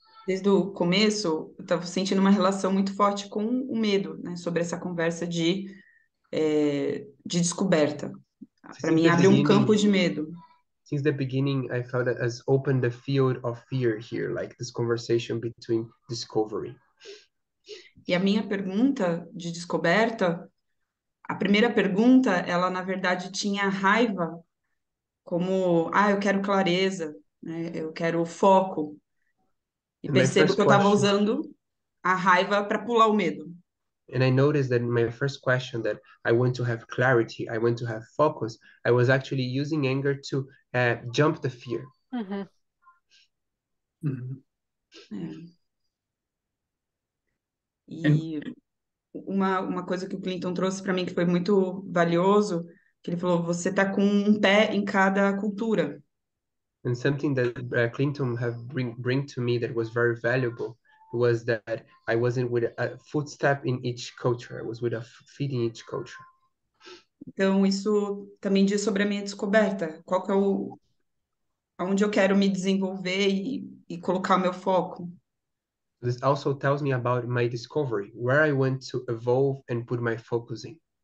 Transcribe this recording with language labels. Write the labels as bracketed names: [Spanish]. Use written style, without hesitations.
[Portuguese] Desde o começo, eu estava sentindo uma relação muito forte com o medo, né, sobre essa conversa de descoberta. Para mim, abre um campo de medo. [English] Since the beginning, I felt it has opened the field of fear here, like this conversation between discovery. [Portuguese] E a minha pergunta de descoberta, a primeira pergunta, ela na verdade tinha raiva. Como, eu quero clareza, né? Eu quero foco. E percebo que eu estava usando a raiva para pular o medo. [English] And I noticed that in my first question that I want to have clarity, I want to have focus, I was actually using anger to jump the fear. [Portuguese] E uma coisa que o Clinton trouxe para mim que foi muito valioso Ele falou, você está com um pé em cada cultura. [English] And something that Clinton have bring to me that was very valuable was that I wasn't with a footstep in each culture, I was with a feet in each culture. [Portuguese] Então, isso também diz sobre a minha descoberta. Qual que é o... Onde eu quero me desenvolver e colocar o meu foco? [English] This also tells me about my discovery, where I want to evolve and put my focus in.